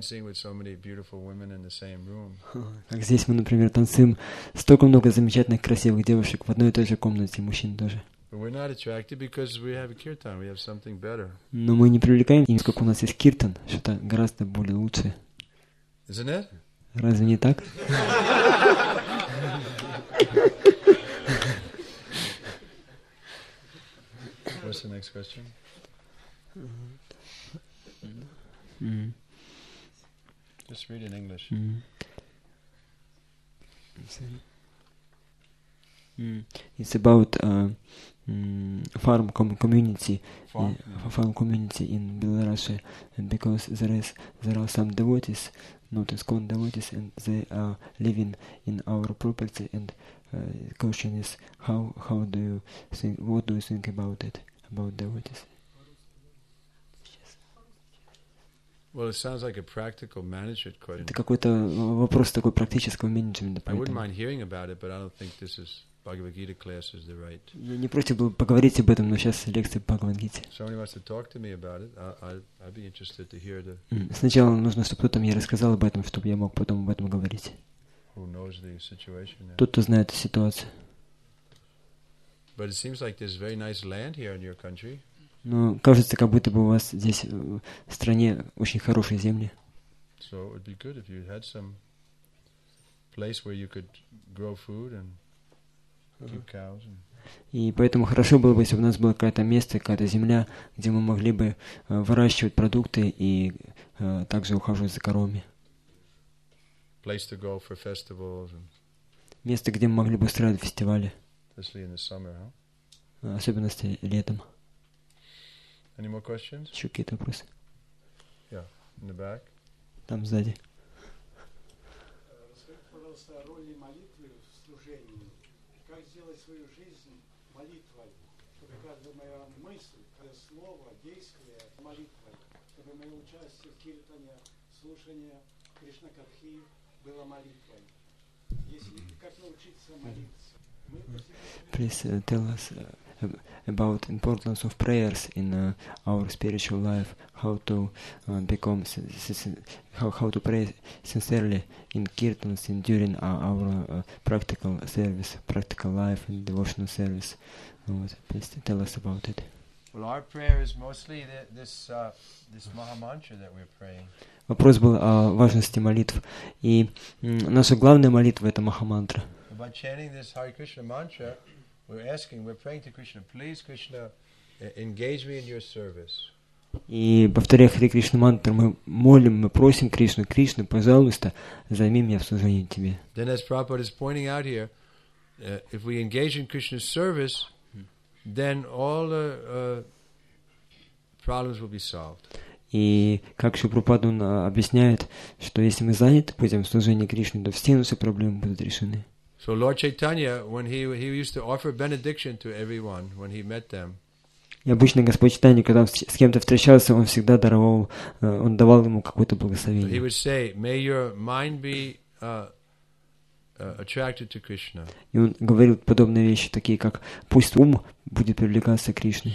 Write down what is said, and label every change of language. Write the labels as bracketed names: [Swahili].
[Russian] Как здесь мы, например, танцуем столько много замечательных, красивых девушек в одной и той же комнате, мужчин тоже. [English] But we're not attracted because we have a kirtan. We have something better. [Russian] Но мы не привлекаем, не сколько у нас есть киртан, что-то гораздо более лучшее. [English] Isn't it? [Russian] Разве не так? [English] What's the next question? Just read in English. It's about farm community in Belarus, and because there are some devotees, not Iskon devotees, and they are living in our property, and question is how do you think, what do you think about it, about devotees? Well, it sounds like a practical management question. [Russian] Это какой-то вопрос такой практического менеджмента. [English] I wouldn't mind hearing about it, but I don't think this is Bhagavad Gita class is the right. [Russian] Я не против был поговорить об этом, но сейчас лекция по Бхагавад Гите. [English] Somebody wants to talk to me about it. I'd be interested to hear the. [Russian] Сначала нужно, чтобы кто-то мне рассказал об этом, чтобы я мог потом об этом говорить. [English] Who knows the situation? [Russian] Тот, кто знает ситуацию. [English] But it seems like there's very nice land here in your country. [Russian] Но кажется, как будто бы у вас здесь в стране очень хорошие земли. [English] So it would be good if you had some place where you could grow food and keep cows and. [Russian] И поэтому хорошо было бы, если бы у нас было какое-то место, какая-то земля, где мы могли бы выращивать продукты и также ухаживать за коровами. [English] Place to go for festivals and... [Russian] Место, где мы могли бы устраивать фестивали. [English] Especially in the summer, huh? [Russian] Особенно летом. [English] Any more questions? [Russian] Еще какие-то вопросы? [English] Yeah, in the back. [Russian] Там сзади. Расскажите, пожалуйста, о роли молитвы в служении. Как сделать свою жизнь молитвой, чтобы каждая моя мысль, слово, действие молитвой, чтобы мое участие в киртане, слушание Кришнакадхи было молитвой. Если как научиться молиться? [English] Please tell us about importance of prayers in our spiritual life. How to become how to pray sincerely in kirtans and during our practical service, practical life and devotional service. Please tell us about it. Well, our prayer is mostly this Maha Mantra that we're praying. [Russian] Вопрос был о важности молитв, и наша главная молитва — это Маха Мантра. [English] By chanting this Hare Krishna mantra, we're asking, we're praying to Krishna, please, Krishna, engage me in your service. [Russian] И повторяя Хари Кришна мантру, мы молим, мы просим Кришну, Кришна, пожалуйста, займи меня в служении тебе. [English] Then, as Prabhupada is pointing out here, if we engage in Krishna's service, then all the problems will be solved. [Russian] И как Шри Прабхупада объясняет, что если мы заняты будем в служении Кришне, то все наши проблемы будут решены. [English] So Lord Chaitanya, when he used to offer benediction to everyone when he met them. [Russian] И обычно Господь Чайтанья, когда с кем-то встречался, он всегда даровал, он давал ему какое-то благословение. [English] He would say, "May your mind be attracted to Krishna." [Russian] И он говорил подобные вещи, такие как, пусть ум будет привлекаться к Кришне.